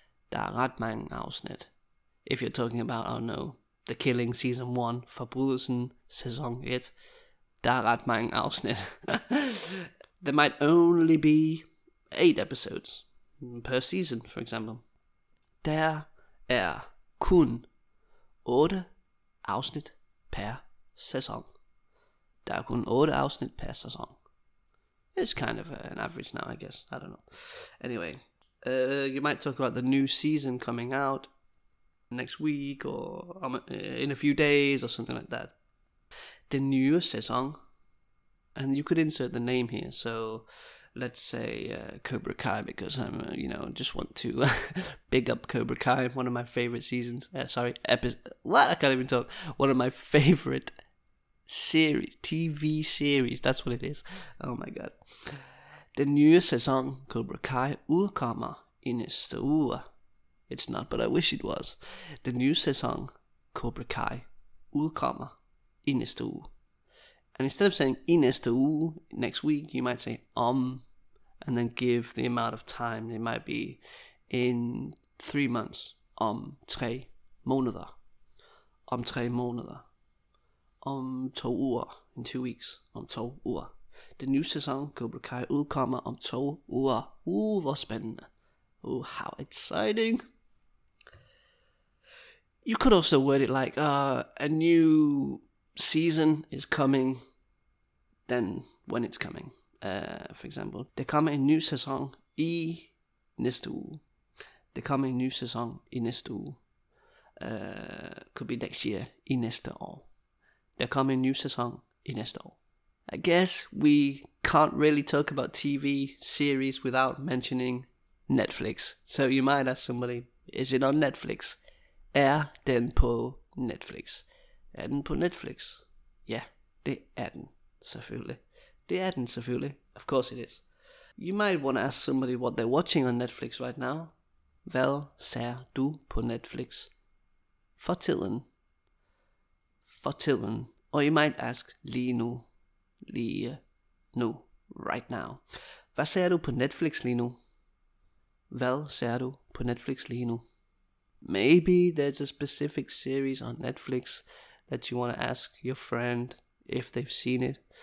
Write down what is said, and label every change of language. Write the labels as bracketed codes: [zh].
[da] Der ret mange afsnit. [en] If you're talking about, oh no, The Killing season 1, Forbrydelsen [da] sæson 1, der ret mange afsnit. [en] There might only be 8 episodes per season, for example. [da] Der kun 8 afsnit per sæson. Der kun 8 afsnit per sæson. [en] It's kind of an average now, I guess. I don't know. Anyway, you might talk about the new season coming out next week or in a few days or something like that. [da] Den nye sæson. [en] And you could insert the name here, so let's say Cobra Kai, because I'm, you know, just want to big up Cobra Kai, one of my favorite seasons. One of my favorite series, TV series, that's what it is. Oh my god. [da] Den nye sæson Cobra Kai udkommer I næste uge. [en] It's not, but I wish it was. [da] Den nye sæson Cobra Kai udkommer I næste uge. [en] And instead of saying [da] I næste uge, [en] next week, you might say om. And then give the amount of time. It might be in 3 months. [da] Om 3 måneder. Om 3 måneder. Om 2 uger. [en] In 2 weeks. [da] Om 2 uger. Den nye sæson Cobra Kai udkommer om 2 uger. Hvor spændende. [en] How exciting. You could also word it like a new season is coming. Then when it's coming. For example, [da] der kommer en ny sæson I næste uge. Der kommer en ny sæson I næste uge. [en] Could be next year, [da] I næste år. Der kommer en ny sæson I næste år. [en] I guess we can't really talk about TV series without mentioning Netflix. So you might ask somebody, is it on Netflix? [da] Den på Netflix? Den på Netflix? Ja, det den, selvfølgelig. Det er den selvfølgelig. [en] Of course it is. You might want to ask somebody what they're watching on Netflix right now. [da] Hvad ser du på Netflix? For tiden. For tiden. [en] Or you might ask [da] lige nu. Lige nu. [en] Right now. [da] Hvad ser du på Netflix lige nu? Hvad ser du på Netflix lige nu? [en] Maybe there's a specific series on Netflix that you want to ask your friend if they've seen it.